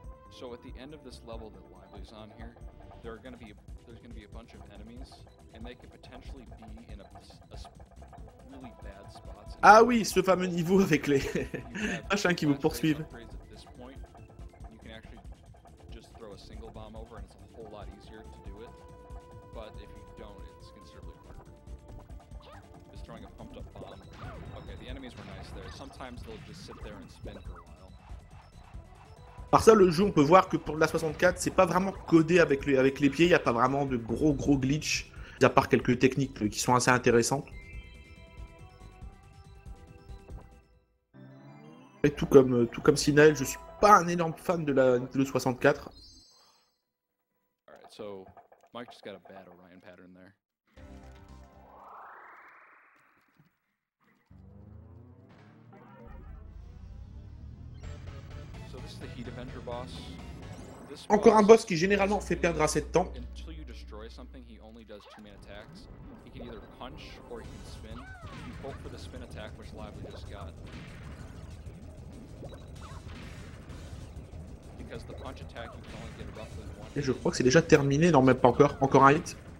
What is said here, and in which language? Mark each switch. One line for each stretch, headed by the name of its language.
English: So at the end of this level that Lively's on here, there's gonna be a bunch of enemies, and they could potentially be in a really bad spot.
French: Ah oui, ce fameux niveau avec les machins qui vous poursuivent.
English: You can actually just throw a single bomb over, and it's a whole lot easier to do it. But if you don't, it's considerably harder. Just throwing a pumped up bomb. Okay, the enemies were nice there. Sometimes they'll just sit there and spin for a while.
French: Par ça, le jeu, on peut voir que pour la 64, c'est pas vraiment codé avec les pieds. Il n'y a pas vraiment de gros glitch, à part quelques techniques qui sont assez intéressantes. Et tout comme Sinaël, je suis pas un énorme fan de la Nintendo 64.
English: Alright, so Mike just got a bad Orion pattern there.
French: Encore un boss qui généralement fait perdre assez de temps. Ah,
English: can either punch or he can spin. He can poke for the spin attack, which Lively just got. Because the punch attack, you can only get roughly one.
French: Et je crois que c'est déjà terminé, non, même pas encore. Encore un hit.